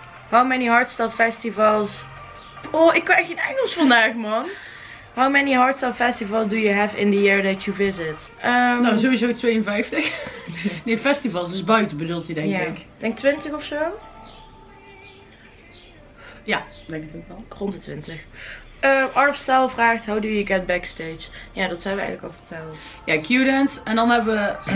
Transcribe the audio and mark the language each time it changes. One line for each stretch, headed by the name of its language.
English: How many hardstyle festivals?
Dutch: Oh, ik krijg geen Engels vandaag, man.
English: How many hardstyle festivals do you have in the year that you visit?
Dutch: Nou, sowieso 52. Nee, festivals, dus buiten bedoelt hij, denk ik. Denk 20 of zo? Ja, denk het wel. Rond de 20. Art of Style vraagt,
English: how do you get backstage?
Dutch: Ja, dat zijn we eigenlijk al verteld. Ja, Q-dance. En dan hebben we...